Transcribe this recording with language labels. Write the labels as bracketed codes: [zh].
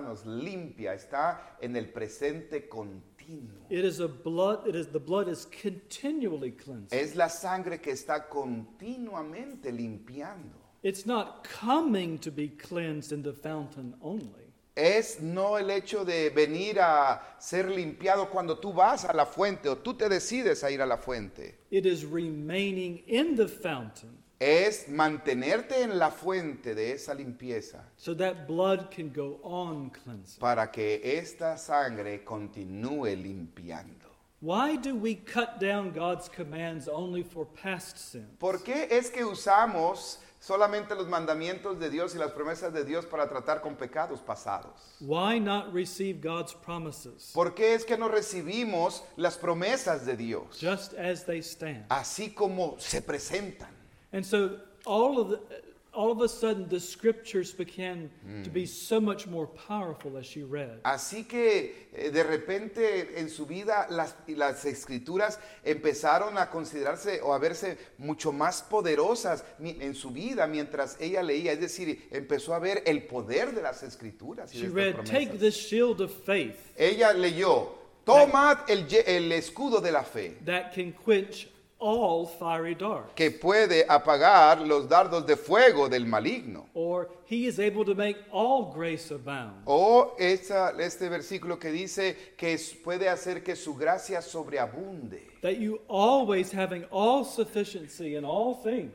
[es] Nos limpia, está en el presente continuo. [en] The blood is continually cleansing. [es] Es la sangre que está continuamente limpiando. [en] It's not coming to be cleansed in the fountain only. [es] Es no el hecho de venir a ser limpiado cuando tú vas a la fuente o tú te decides a ir a la fuente. [en] It is remaining in the fountain. [es] Es mantenerte en la fuente de esa limpieza. [en] So that blood can go on cleansing. [es] Para que esta sangre continúe limpiando. [en] Why do we cut down God's commands only for past sins? [es] ¿Por qué es que usamos solamente los mandamientos de Dios y las promesas de Dios para tratar con pecados pasados? [en] Why not receive God's promises? [es] ¿Por qué es que no recibimos las promesas de Dios? [en] Just as they stand. [es] Así como se presentan. [en] And so all of a sudden the scriptures began to be so much more powerful as she read. [es] Así que de repente en su vida las escrituras empezaron a considerarse o a verse mucho más poderosas en su vida mientras ella leía, es decir, empezó a ver el poder de las escrituras. [en] She read, take this shield of faith. [es] Ella leyó, tomad el escudo de la fe. [en] That can quench all fiery darts. [es] Que puede apagar los dardos de fuego del maligno. [en] Or he is able to make all grace abound. [es] O este versículo que dice que puede hacer que su gracia sobreabunde. [en] That you always having all sufficiency in all things.